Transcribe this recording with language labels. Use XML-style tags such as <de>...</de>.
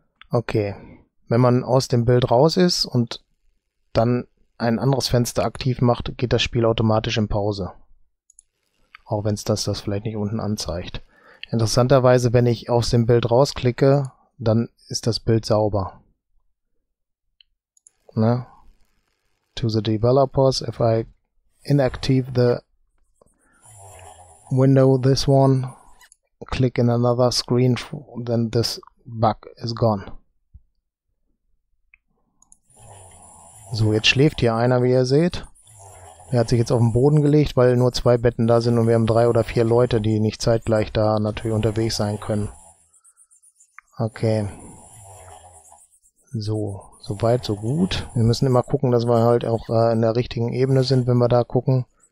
<de>Okay. Wenn man aus dem Bild raus ist und dann ein anderes Fenster aktiv macht, geht das Spiel automatisch in Pause. Auch wenn es das vielleicht nicht unten anzeigt. Interessanterweise, wenn ich aus dem Bild rausklicke, dann ist das Bild sauber. Ne?</de> <en>To the developers, if I inactive the window, this one, click in another screen, then this bug is gone.</en> <de>So, jetzt schläft hier einer, wie ihr seht. Er hat sich jetzt auf den Boden gelegt, weil nur zwei Betten da sind und wir haben drei oder vier Leute, die nicht zeitgleich da natürlich unterwegs sein können. Okay. So, soweit, so gut. Wir müssen immer gucken, dass wir halt auch in der richtigen Ebene sind, wenn wir da gucken.</de>